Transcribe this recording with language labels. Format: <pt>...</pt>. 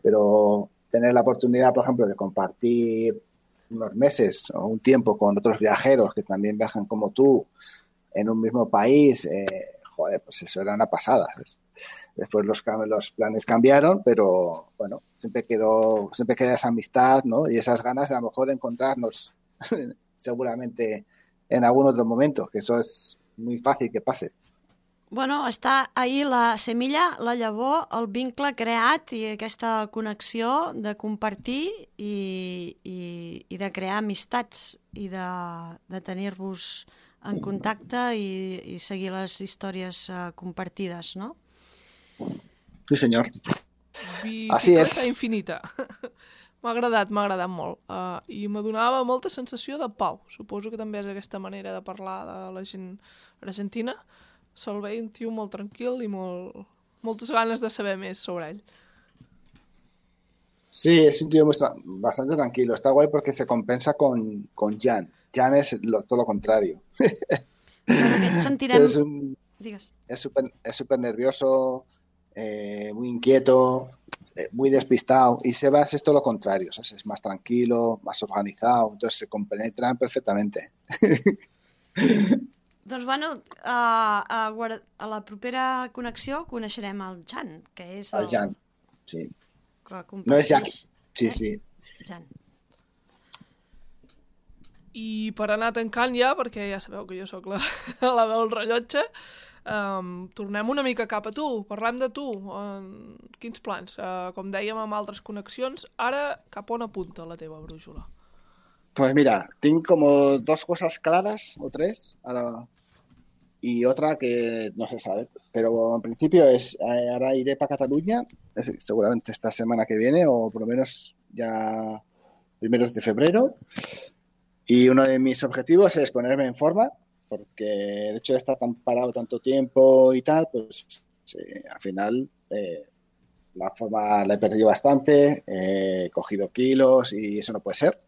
<es>Pero tener la oportunidad, por ejemplo, de compartir unos meses o un tiempo con otros viajeros que también viajan como tú en un mismo país, joder, pues eso era una pasada, ¿sabes? Después los planes cambiaron, pero bueno, siempre quedó esa amistad, ¿no? Y esas ganas de a lo mejor encontrarnos seguramente en algún otro momento, que eso es muy fácil que pase.</es> <ca>Bueno, està</ca> <es>ahí la semilla,</es> <ca>la llavor, el vincle creat i aquesta connexió de compartir i de crear amistats i de tenir-vos en contacte i seguir les històries compartides, no? Sí, senyor.</ca> <es>Así es.</es> <ca>Vincleta infinita. M'ha agradat molt. I m'adonava molta sensació de pau. Suposo que també és aquesta manera de parlar de la gent argentina. Se'l veia un tio molt tranquil i moltes ganes de saber més sobre ell. Sí, és un tio bastant tranquil. Està guai perquè</ca> <es>se compensa con</es> <ca>Jan. Jan és tot lo contrari. Sentirem...</ca> <es>És super nervioso, muy inquieto, muy despistado. Y Sebas es todo lo contrario. O sea, es más tranquilo, más organizado. Entonces se compenetran perfectamente.</es> <ca>Doncs, bueno, a la propera connexió coneixerem el Jan, que és el Jan, sí. No és Jack, sí, sí. Jan. I per anar tancant ja, perquè ja sabeu que jo sóc la del rellotge, tornem una mica cap a tu, parlem de tu. Quins plans? Com dèiem, amb altres connexions, ara cap on apunta la teva brújula?</ca> <es>Pues mira,</es> <ca>tinc com dos coses clares, o tres, ara...</ca> <es>Y otra que no se sabe, pero en principio es ahora iré para Cataluña, es decir, seguramente esta semana que viene o por lo menos ya primeros de febrero. Y uno de mis objetivos es ponerme en forma, porque de hecho de estar tan parado tanto tiempo y tal, pues sí, al final la forma la he perdido bastante, he cogido kilos y eso no puede ser.</es>